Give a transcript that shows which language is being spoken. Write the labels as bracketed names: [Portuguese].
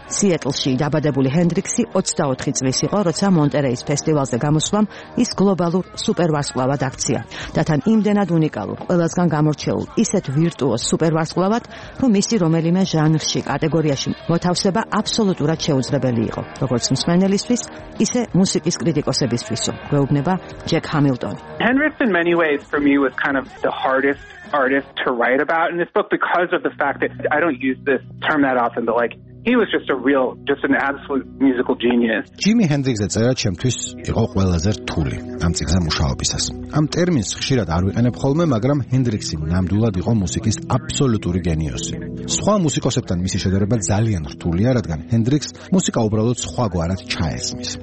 [Georgian] სიეტლში დაბადებული ჰენდრიქსი 24 წლის იყო, როცა მონტერეის ფესტივალზე გამოსვლამ ის გლობალურ სუპერვარსკვლავად აქცია, და თან იმდენად უნიკალურ, ყველასგან გამორჩეულ, ისეთ ვირტუოზ სუპერვარსკვლავად, რომ მისი რომელიმე ჟანრში, კატეგორიაში მოთავსება აბსოლუტურად შეუძლებელი იყო, როგორც მსმენელისთვის, ისე მუსიკის კრიტიკოსებისთვის, გვეუბნება ჯეკ ჰამილტონი. [English] Hendrix in many ways for me was kind of the hardest artist to write about in this book, because of the fact that I don't use this term that often, but like He was just a real, just an absolute musical genius. [Georgian] Jimi Hendrix-ze წერა ჩემთვის იყო ყველაზე რთული ამ ციგზე მუშაობისას. ამ ტერმინს ხშირად არ ვიყენებ ხოლმე, მაგრამ ჰენდრიქსი ნამდვილად იყო მუსიკის აბსოლუტური გენიოსი. სხვა მუსიკოსებთან მისი შედარება ძალიან რთულია, რადგან ჰენდრიქს მუსიკა უბრალოდ სხვაგვარად ჩაესმის.